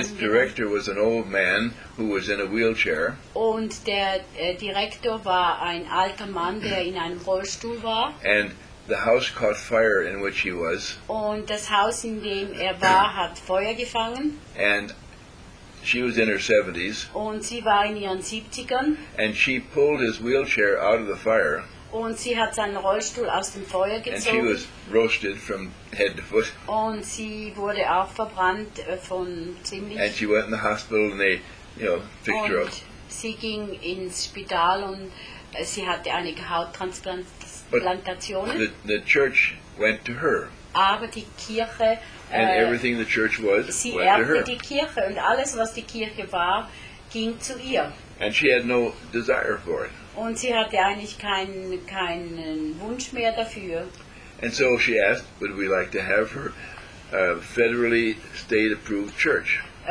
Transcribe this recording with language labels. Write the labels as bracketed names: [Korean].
[English] And its director was an old man who was in a wheelchair. [German] Und der Direktor war ein alter Mann, der in einem Rollstuhl war. [English] And the house caught fire in which he was. [German] Und das Haus, in dem war, hat Feuer gefangen. [English] And she was in her 70s. [German] Und sie war in ihren 70ern. [English] And she pulled his wheelchair out of the fire. [German] Und sie hat seinen Rollstuhl aus dem Feuer gezogen. [English] And she was roasted from head to foot. [German] Und sie wurde auch verbrannt von ziemlich. [English] And she went in the hospital and they, you know, fixed her up. [German] Sie ging ins Spital und sie hatte einige Hauttransplantationen. [English] But the church went to her. [German] Aber die Kirche. [English] And everything the church was, [German] sie [English] went to her. [German] Die Kirche und alles, was die Kirche war, ging zu ihr. [English] And she had no desire for it. [German] Und sie hatte eigentlich keinen Wunsch mehr dafür. [English] And so she asked, would we like to have her federally state-approved church?